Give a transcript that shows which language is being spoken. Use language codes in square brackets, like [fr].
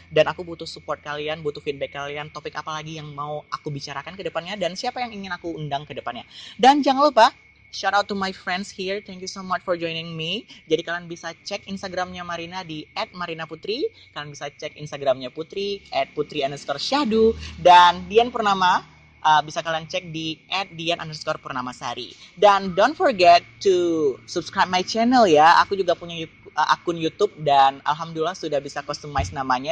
[id] Dan aku butuh support kalian, butuh feedback kalian, topik apa lagi yang mau aku bicarakan ke depannya dan siapa yang ingin aku undang ke depannya. Dan jangan lupa, [en] shout out to my friends here. Thank you so much for joining me. [id] Jadi kalian bisa cek Instagramnya Marina di @marinaputri. Kalian bisa cek Instagramnya Putri @putri_syahdu. Dan Dian Purnama bisa kalian cek di @dian_purnamasari. [en] Dan don't forget to subscribe my channel ya. [id] Aku juga punya akun YouTube dan alhamdulillah sudah bisa customize namanya.